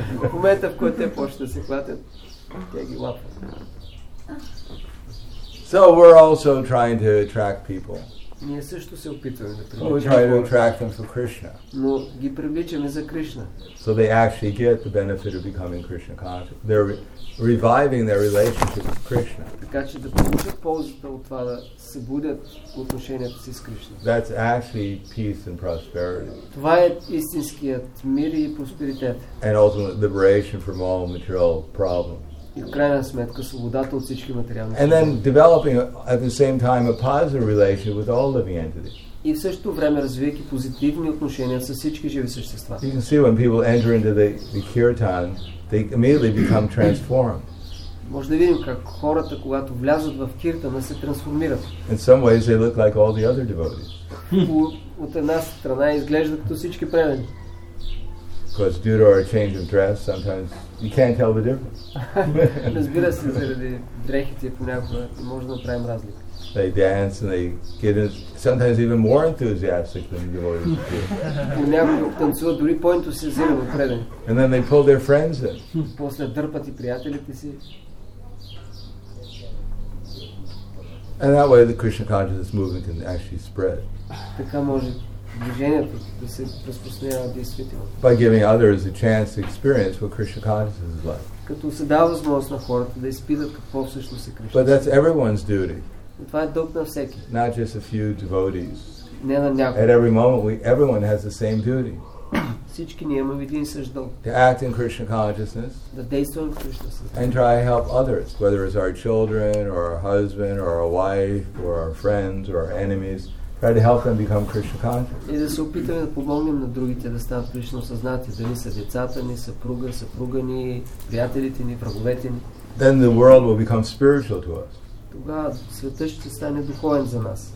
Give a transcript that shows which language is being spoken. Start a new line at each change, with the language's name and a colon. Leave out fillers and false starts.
Bulgarian: В момента, в който те почнат да се хватят, те ги лапат.
English: So we're also trying to attract people.
Bulgarian: Ние също се опитваме да привличаме.
English: We're trying to attract them for Krishna.
Bulgarian: Но ги привличаме за Кришна.
English: So they actually get the benefit of becoming Krishna conscious. They're reviving their relationship with Krishna.
Bulgarian: Така че да получат ползата от това да се будят отношенията си с Кришна.
English: That's actually peace and prosperity.
Bulgarian: Това е истинският мир и просперитет.
English: And ultimately liberation from all material problems.
Bulgarian: И в крайна сметка свободата от всички материални проблеми.
English: And then developing at the same time a positive relationship with all living entities.
Bulgarian: И в същото време развивайки позитивни отношения с всички живи същества.
English: You can see when people enter into the kirtan, they immediately become transformed.
Bulgarian: Може да видим как хората, когато влязат в киртана, се трансформират.
English: In some ways they look like all the other devotees.
Bulgarian: От една страна изглеждат като всички преданни.
English: Because due to our change of dress, sometimes you can't tell the difference.
Bulgarian: Разбира се, заради дрехите понякога може да направим разлика.
English: They dance and they get in, sometimes even more enthusiastic than devotees do.
Bulgarian: Понякога танцуват дори по-ентусиазирано преданни.
English: And then they pull their friends in.
Bulgarian: После дърпат и приятелите си.
English: And that way the Krishna consciousness movement can actually spread.
Bulgarian: Така може движението да се разпространява действително.
English: By giving others a chance to experience what Krishna consciousness is like.
Bulgarian: Като се дава възможност на хората да изпитат какво всъщност е Кришна.
English: But that's everyone's duty.
Bulgarian: Това е дълг на всеки.
English: Not just a few devotees.
Bulgarian: Не на някой.
English: At every moment everyone has the same duty.
Bulgarian: Всички ние имаме един същ дълг.
English: To act in Krishna consciousness.
Bulgarian: Да действаме в Кришна съзнание.
English: And try to help others, whether it's our children or our husband or our wife or our friends or our enemies. Try to help them become Krishna conscious.
Bulgarian: И да се опитаме да помогнем на другите да станат Кришна съзнати, дали са децата ни, съпруга, съпруга ни, приятелите ни, враговете ни.
English: Then the world will become spiritual to us.
Bulgarian: Тогава светът ще стане духовен за нас.